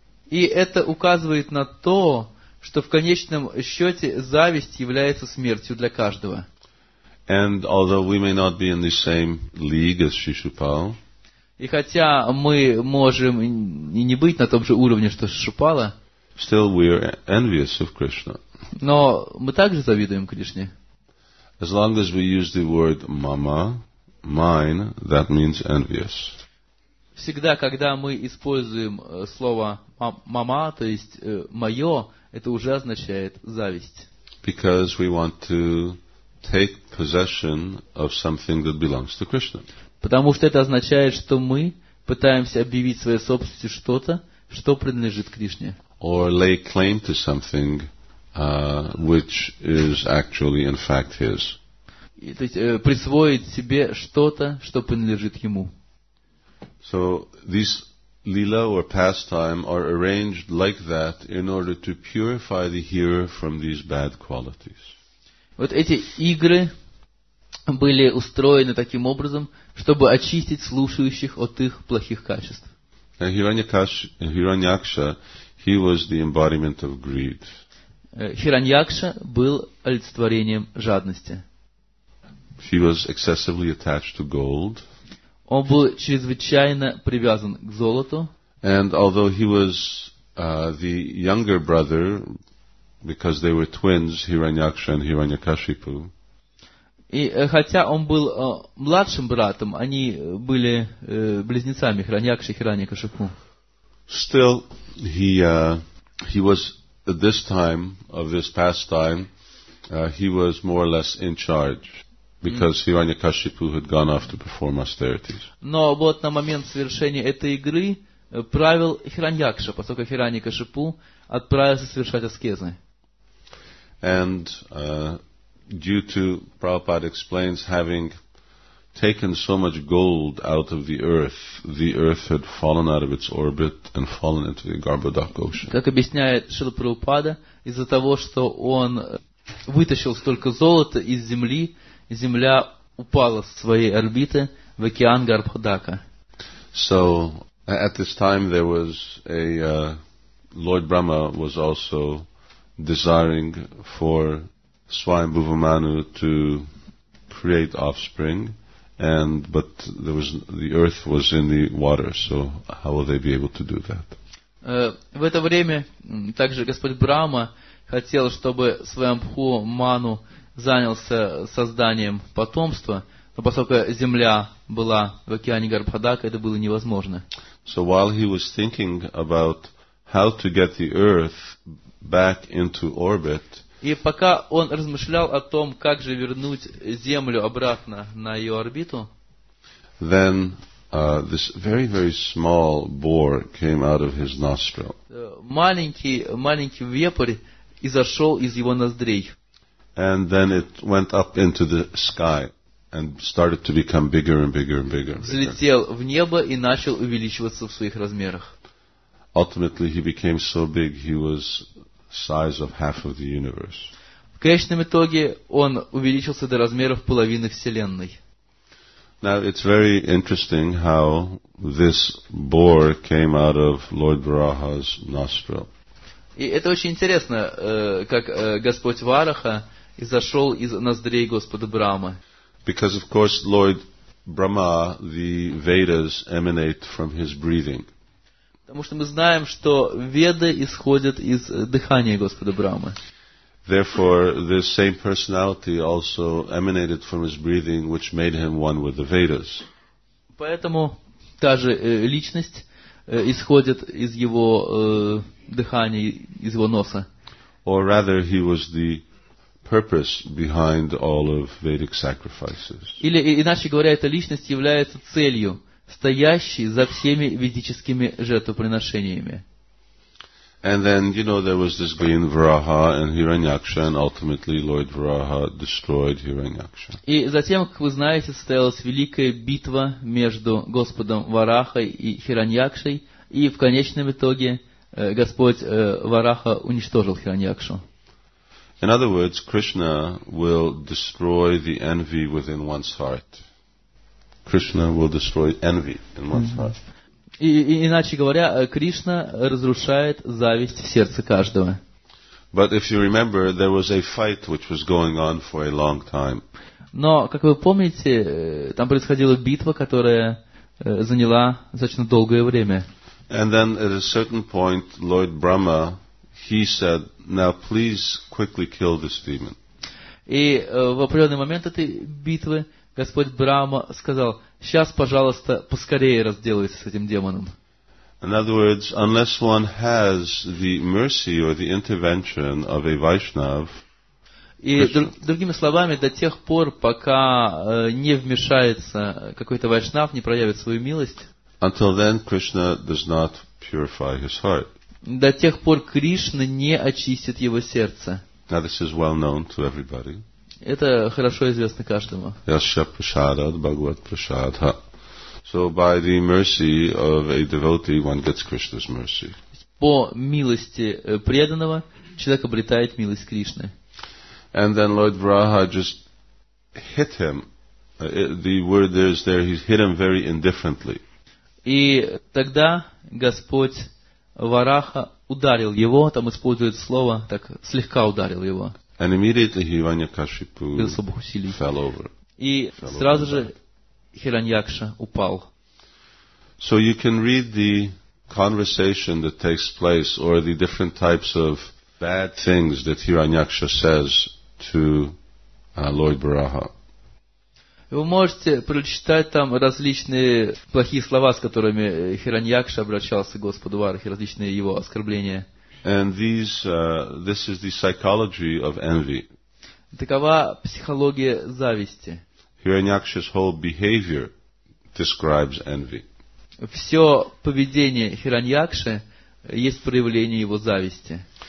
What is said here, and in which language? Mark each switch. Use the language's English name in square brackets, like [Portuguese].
[Russian] И это указывает на то, что в конечном счете зависть является смертью для каждого. [English] And although we may not be in the same league as Shishupal, [Russian] и хотя мы можем и не быть на том же уровне, что Шишупала, [English] still we are envious of Krishna. [Russian] Но мы также завидуем Кришне. [English] As long as we use the word mama, mine, that means envious. [Russian] Всегда, когда мы используем слово мама, то есть мое, это уже означает зависть. [English] Because we want to take possession of something that belongs to Krishna. [Russian] Потому что это означает, что мы пытаемся объявить своей собственности что-то, что принадлежит Кришне. [English] Or lay claim to something which is actually in fact his. [Russian] То есть присвоить себе что-то, что принадлежит ему. [English] So these lila or pastime are arranged like that in order to purify the hearer from these bad qualities. [Russian] Вот эти игры были устроены таким образом, чтобы очистить слушающих от их плохих качеств. [English] Хираньякша, he was the embodiment of greed. [Russian] Хираньякша был олицетворением жадности. [English] He was excessively attached to gold. [Russian] Он был чрезвычайно привязан к золоту. [English] And although he was the younger brother, because they were twins, Hiranyaksha and Hiranyakashipu. [Russian] И хотя он был младшим братом, они были близнецами, Хираньякша и Хираньякашипу. [English] Still, he was at this time of this pastime, he was more or less in charge. Because Hiranyakashipu had gone off to perform austerities. [Russian] Но вот на момент совершения этой игры правил Хираньякша, поскольку Хираньякашипу отправился совершать аскезы. [English] And due to, Prabhupada explains, having taken so much gold out of the earth had fallen out of its orbit and fallen into the Garbhodak ocean. [Russian] Как объясняет Шрила Прабхупада, из-за того, что он вытащил столько золота из земли, земля упала с своей орбиты в океан Гарбхадака. [English] So, at this time there was a Lord Brahma was also desiring for Swayambhuvamanu to create offspring, and but there was the earth was in the water, so how will they be able to do that? [Russian] В это время также Господь Брама хотел, чтобы Свайамбхуману занялся созданием потомства, но поскольку земля была в океане Гарбхадака, это было невозможно. [English] So while he was thinking about how to get the earth back into orbit, [Russian] и пока он размышлял о том, как же вернуть землю обратно на ее орбиту, [English] then this very, very small boar came out of his nostril. [Russian] Маленький вепрь изошел из его ноздрей. [English] And then it went up into the sky and started to become bigger and bigger and bigger. [Russian] Взлетел в небо и начал увеличиваться в своих размерах. [English] Ultimately, he became so big he was size of half of the universe. [Russian] В конечном итоге он увеличился до размеров половины Вселенной. [English] Now it's very interesting how this boar came out of Lord Varaha's nostril. [Russian] И это очень интересно, как Господь Вараха изошел из ноздрей Господа Брамы. [English] Because of course Lord Brahma, the Vedas emanate from his breathing. [Russian] Потому что мы знаем, что Веды исходят из дыхания Господа Брамы. [English] Therefore, this same personality also emanated from his breathing, which made him one with the Vedas. [Russian] Поэтому та же личность исходит из его дыхания, из его носа. [English] Or rather, he was the purpose behind all of Vedic sacrifices. [Russian] Или, иначе говоря, эта личность является целью, стоящей за всеми ведическими жертвоприношениями. [English] And then, you know, there was this being Varaha and Hiranyaksha, and ultimately Lord Varaha destroyed Hiranyaksha. [Russian] И затем, как вы знаете, состоялась великая битва между Господом Варахой и Хираньякшей, и в конечном итоге Господь Вараха уничтожил Хираньякшу. [English] In other words, Krishna will destroy the envy within one's heart. Krishna will destroy envy in one's heart. [Russian] Иначе говоря, Кришна разрушает зависть в сердце каждого. [English] But if you remember, there was a fight which was going on for a long time. [Russian] Но, как вы помните, там происходила битва, которая заняла достаточно долгое время. [English] And then at a certain point, Lord Brahma, he said, "Now please quickly kill this demon." [Russian] И в определенный момент этой битвы Господь Брама сказал: «Сейчас, пожалуйста, поскорее разделайся с этим демоном». [English] In other words, unless one has the mercy or the intervention of a Vaishnav, [Russian] и другими словами, до тех пор, пока не вмешается какой-то Вайшнав, не проявит свою милость, [English] until then Krishna does not purify his heart. [Russian] До тех пор Кришна не очистит его сердце. [English] Now this is well known to everybody. [Russian] Это хорошо известно каждому. [Sanskrit] Yasya prasadat bhagavat prasadha. [English] So by the mercy of a devotee, one gets Krishna's mercy. [Russian] По милости преданного человек обретает милость Кришны. [English] And then Lord Varaha just hit him. The word is there, he hit him very indifferently. [Russian] И тогда Господь Вараха ударил его, там используют слово, так слегка ударил его. [English] And immediately Hiranyakashipu fell over. [Russian] И сразу же Хираньякша упал. [English] So you can read the conversation that takes place, or the different types of bad things that Hiranyaksha says to Lord Varaha. [Russian] Вы можете прочитать там различные плохие слова, с которыми Хираньякша обращался к Господу Варахе, различные его оскорбления. [English] And these, this is the psychology of envy. [Russian] Такова психология зависти. [English] Hiranyaksha's whole behavior describes envy. [Russian] Все поведение Хираньякши есть проявление его зависти.